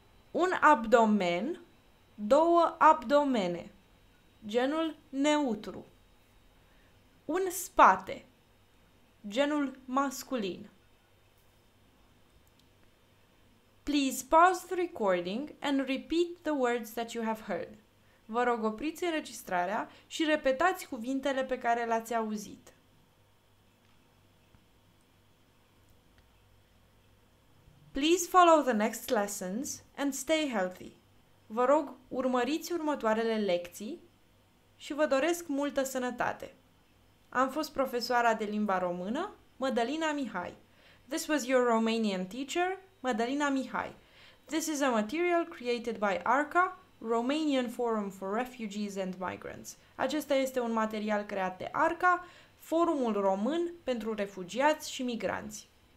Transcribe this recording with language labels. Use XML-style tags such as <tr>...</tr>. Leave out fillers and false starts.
<ro>Un abdomen, două abdomene, genul neutru. Un spate, genul masculin.</ro> <en>Please pause the recording and repeat the words that you have heard.</en> <ro>Vă rog, opriți înregistrarea și repetați cuvintele pe care le-ați auzit.</ro> <en>Please follow the next lessons and stay healthy.</en> <ro>Vă rog, urmăriți următoarele lecții și vă doresc multă sănătate. Am fost profesoara de limba română, Mădălina Mihai.</ro> <en>This was your Romanian teacher, Mădălina Mihai. This is a material created by ARCA, Romanian Forum for Refugees and Migrants.</en> <ro>Acesta este un material creat de ARCA, Forumul Român pentru Refugiați și Migranți.</ro>